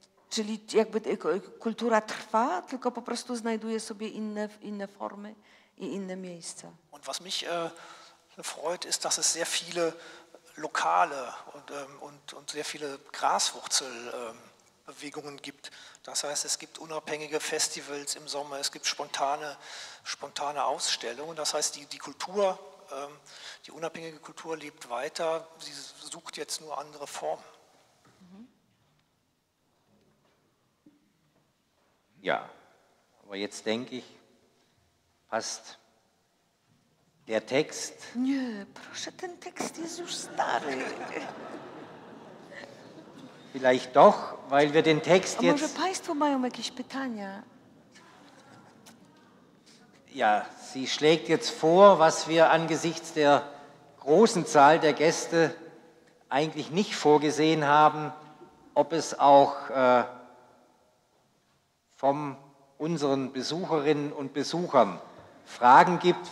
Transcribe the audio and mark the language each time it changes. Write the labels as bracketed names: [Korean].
[Polish] Czyli jakby kultura trwa, tylko po prostu znajduje sobie inne formy i inne miejsca. [German] Und was mich freut, ist, dass es sehr viele lokale und sehr viele Graswurzelbewegungen gibt. Das heißt, es gibt unabhängige Festivals im Sommer, es gibt spontane Ausstellungen. Das heißt, die Kultur, die unabhängige Kultur lebt weiter, sie sucht jetzt nur andere Formen. Ja, aber jetzt denke ich, passt der Text. [Polish] Nie, proszę, ten [German] Text ist [Polish] już stary. [German] Vielleicht doch, weil wir den Text jetzt... [Polish] A może państwo mają jakieś pytania? [German] Ja, sie schlägt jetzt vor, was wir angesichts der großen Zahl der Gäste eigentlich nicht vorgesehen haben, ob es auch... von unseren Besucherinnen und Besuchern Fragen gibt.